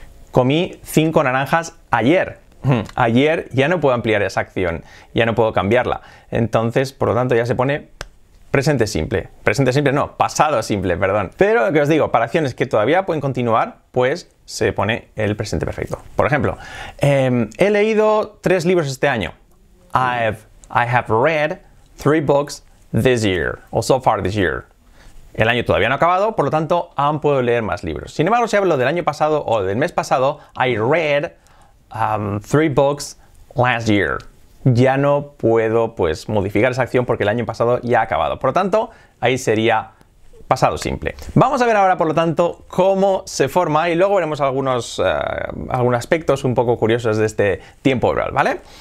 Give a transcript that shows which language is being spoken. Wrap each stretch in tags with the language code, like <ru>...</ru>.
<es>Comí 5 naranjas ayer. Ayer ya no puedo ampliar esa acción, ya no puedo cambiarla. Entonces, por lo tanto, ya se pone presente simple. Presente simple no, pasado simple, perdón. Pero lo que os digo, para acciones que todavía pueden continuar, pues se pone el presente perfecto. Por ejemplo, he leído 3 libros este año.</es> <en>I have read 3 books this year, o so far this year.</en> <es>El año todavía no ha acabado, por lo tanto, aún puedo leer más libros. Sin embargo, si hablo del año pasado o del mes pasado,</es> <en>I read 3 books last year.</en> <es>Ya no puedo, pues, modificar esa acción porque el año pasado ya ha acabado. Por lo tanto, ahí sería pasado simple. Vamos a ver ahora, por lo tanto, cómo se forma y luego veremos algunos aspectos un poco curiosos de este tiempo verbal, ¿vale?</es>